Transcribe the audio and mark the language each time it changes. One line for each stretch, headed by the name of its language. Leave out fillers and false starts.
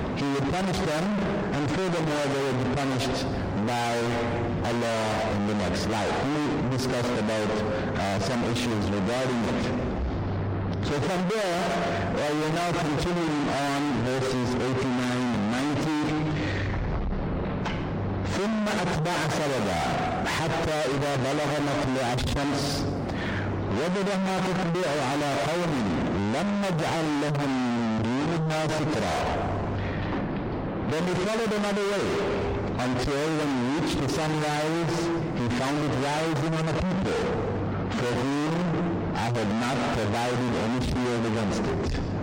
English: He would punish them, and furthermore, they would be punished by Allah in the next life. We discussed about some issues regarding it. So from there, we are now continuing on verses 89 and 90.
Arabic: ثم أتبع سببا حتى إذا بلغ مطلع الشمس وجدها تطبع على قوم لم نجعل لهم دونها سترا.
English: Then he followed another way until when he reached the sunrise, he found it rising on a people for whom I had not provided any shield against it.